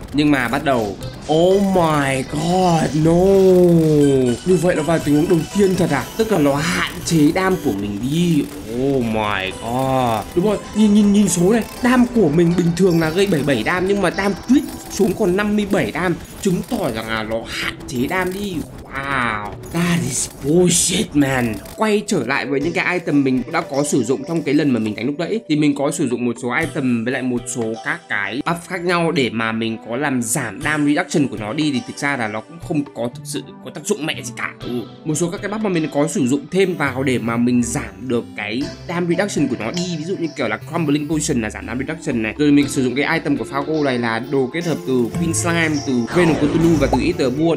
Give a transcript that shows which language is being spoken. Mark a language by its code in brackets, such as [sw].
[vi] Nhưng mà bắt đầu, [en] oh my god, no. [vi] Như vậy là vào tình huống đầu tiên thật à? Tức là nó hạn chế đam của mình đi. [en] Oh my god. [vi] Đúng rồi, nhìn số này. Đam của mình bình thường là gây 77 đam, nhưng mà đam tuyết xuống còn 57 đam, chứng tỏ rằng là nó hạn chế đam đi. [en] Wow, that is bullshit man. [vi] Quay trở lại với những cái item mình đã có sử dụng trong cái lần mà mình đánh lúc đấy, thì mình có sử dụng một số item với lại một số các cái buff khác nhau để mà mình có làm giảm đam reduction của nó đi, thì thực ra là nó cũng không có thực sự có tác dụng mẹ gì cả. Ừ, một số các cái buff mà mình có sử dụng thêm vào để mà mình giảm được cái đam reduction của nó đi, ví dụ như kiểu là crumbling potion là giảm đam reduction này, rồi mình sử dụng cái item của Fargo này là đồ kết hợp từ Queen Slime, từ Queen of Cthulhu và từ Ether Boar.